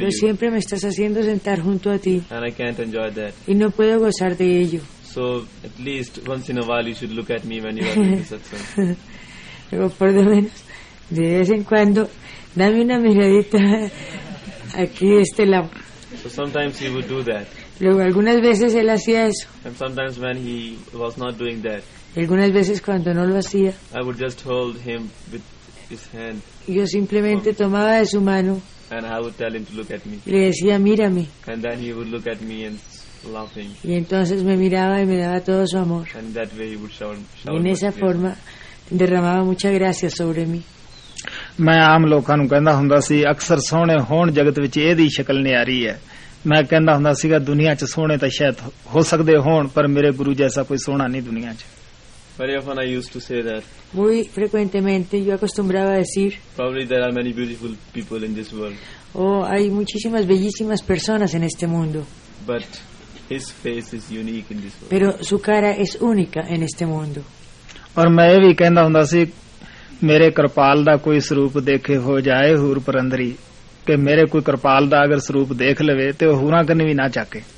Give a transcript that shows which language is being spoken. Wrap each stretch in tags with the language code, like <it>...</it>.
<es>Pero siempre me estás haciendo sentar junto a ti.</es> <en>And I can't enjoy that.</en> <es>Y no puedo gozar de ello.</es> <en>So at least once in a while you should look at me when you are doing the satsang.</en> <es>Digo, por lo menos de vez en cuando dame una miradita aquí de este lado.</es> <en>So sometimes he would do that.</en> <es>Luego algunas veces él hacía eso.</es> <en>And sometimes when he was not doing that.</en> <es>Y algunas veces cuando no lo hacía.</es> <en>I would just hold him with his hand.</en> <es>Yo simplemente tomaba de su mano.</es> <en>And I would tell him to look at me.</en> <es>Y le decía mírame.</es> <en>And then he would look at me and laughing.</en> <es>Y entonces me miraba y me daba todo su amor.</es> <en>And that way he would shower.</en> <es>Y en esa forma derramaba mucha gracia sobre mí.</es> <pa>ਮੈਂ ਆਮ ਲੋਕਾਂ ਨੂੰ ਕਹਿੰਦਾ ਹੁੰਦਾ ਸੀ ਅਕਸਰ ਸੋਹਣੇ ਹੋਣ ਜਗਤ ਵਿਚ ਇਹਦੀ ਸ਼ਕਲ ਨਿਆਰੀ ਹੈ. ਮੈਂ ਕਹਿੰਦਾ ਹੁੰਦਾ ਸੀਗਾ ਦੁਨੀਆਂ ਚ ਸੋਹਣੇ ਤਾਂ ਸ਼ਾਇਦ ਹੋ ਸਕਦੇ ਹੋਣ ਪਰ ਮੇਰੇ ਗੁਰੂ ਜੈਸਾ ਕੋਈ ਸੋਹਣਾ ਨਹੀਂ ਦੁਨੀਆਂ ਚ.</pa> <en>Very often I used to say that.</en> <es>Muy frecuentemente yo acostumbraba a decir.</es> <en>Probably there are many beautiful people in this world.</en> <es>Oh, hay muchísimas bellísimas personas en este mundo.</es> <en>But his face is unique in this world.</en> <es>Pero su cara es única en este mundo.</es> <pa>ਔਰ ਮੈਂ ਇਹ ਵੀ ਕਹਿੰਦਾ ਹੁੰਦਾ ਸੀ ਮੇਰੇ ਕਿਰਪਾਲ ਦਾ ਕੋਈ ਸਰੂਪ ਦੇਖੇ ਹੋ ਜਾਏ ਹੂਰ ਪਰੰਦਰੀ, ਕਿ ਮੇਰੇ ਕੋਈ ਕਿਰਪਾਲ ਦਾ ਅਗਰ ਸਰੂਪ ਦੇਖ ਲਵੇ ਤੇ ਉਹ ਹੂਰਾਂ ਕੰਨੀ ਵੀ ਨਾ ਚੱਕੇ.</pa>